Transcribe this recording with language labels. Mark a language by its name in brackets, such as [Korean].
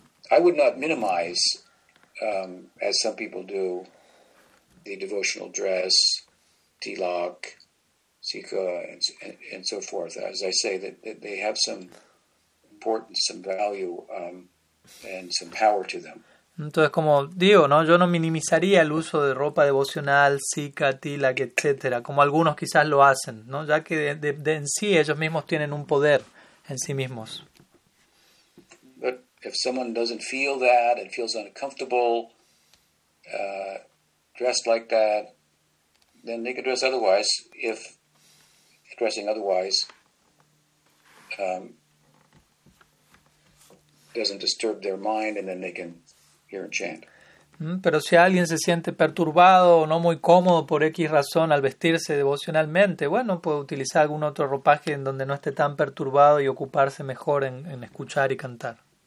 [English] But I would not minimize, as some people do, the devotional dress, tilak, sikha, and so forth. As I say, that they have some importance, some value, and some power to them. [Spanish] Entonces, como digo, ¿no? Yo no minimizaría el uso de ropa devocional, sikha, tilak, etcétera, como algunos quizás lo hacen, ¿no? Ya que de en sí ellos mismos tienen un poder en sí mismos. [English] But if someone doesn't feel that and feels uncomfortable dressed like that, then they could dress otherwise. If dressing otherwise doesn't disturb their mind, and then they can [Spanish] Pero si alguien se siente perturbado o no muy cómodo por X razón al vestirse devocionalmente, bueno, puede utilizar algún otro ropaje en donde no esté tan perturbado y ocuparse mejor en escuchar y cantar.